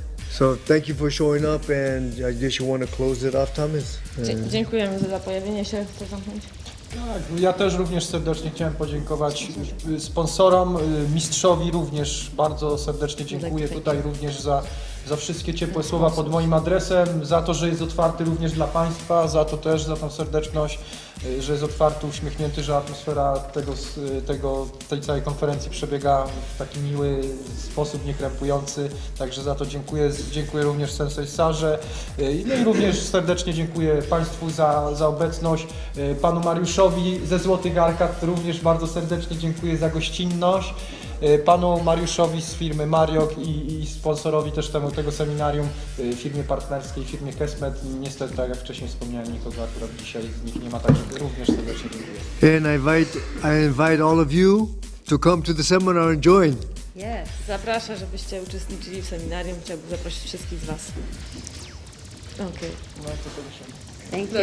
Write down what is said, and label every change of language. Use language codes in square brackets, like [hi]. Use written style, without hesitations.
[en] So thank you for showing up, and I guess you want to close it off, Thomas. [pl] Dziękujemy za pojawienie się. Chcę zamknąć. Tak, ja też również serdecznie chciałem podziękować sponsorom, mistrzowi również bardzo serdecznie dziękuję tutaj również za wszystkie ciepłe słowa pod moim adresem, za to, że jest otwarty również dla Państwa, za to też, za tą serdeczność, że jest otwarty, uśmiechnięty, że atmosfera tej całej konferencji przebiega w taki miły sposób, niekrępujący. Także za to dziękuję. Dziękuję również Sensei Sarze. No i również serdecznie dziękuję Państwu za obecność. Panu Mariuszowi ze Złotych Arkad również bardzo serdecznie dziękuję za gościnność. Panu Mariuszowi z firmy Mariok i sponsorowi też tego seminarium, firmie partnerskiej, firmie Kesmet. Niestety, tak jak wcześniej wspomniałem, nikogo akurat dzisiaj z nich nie ma, także również serdecznie dziękuję. [en] And I invite all of you to come to the seminar and join. Yes, [pl] zapraszam, żebyście uczestniczyli w seminarium. Chciałbym zaprosić wszystkich z Was. Okay.